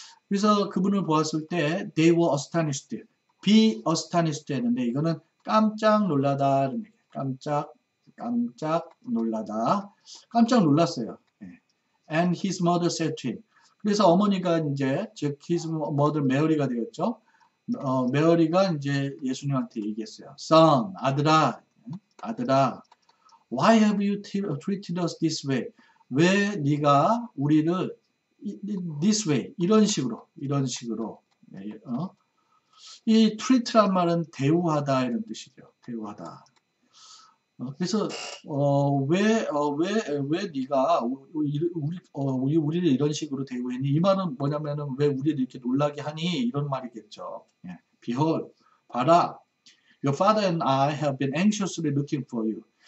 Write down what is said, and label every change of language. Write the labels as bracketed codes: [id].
[ko] 그래서 그분을 보았을 때 [en] they were astonished. Be astonished [ko] 했는데 이거는 깜짝 놀라다 이런 얘기예요. 깜짝 놀라다. 깜짝 놀랐어요. [en] And his mother said to him. [ko] 그래서 어머니가 이제 즉 [en] his mother 메어리가 되겠죠. [ko] 메어리가 이제 예수님한테 얘기했어요. [en] Son, [ko] 아들아, 아들아, [en] why have you treated us this way? [ko] 왜 네가 우리를 [en] this way [ko] 이런 식으로 이런 식으로 이 treat란 말은 대우하다 이런 뜻이죠. 대우하다. 그래서 왜 네가 우리를 이런 식으로 대우했니? 이 말은 뭐냐면은 왜 우리를 이렇게 놀라게 하니? 이런 말이겠죠. Behold, 봐라. [en] Your father and I have been anxiously looking for you.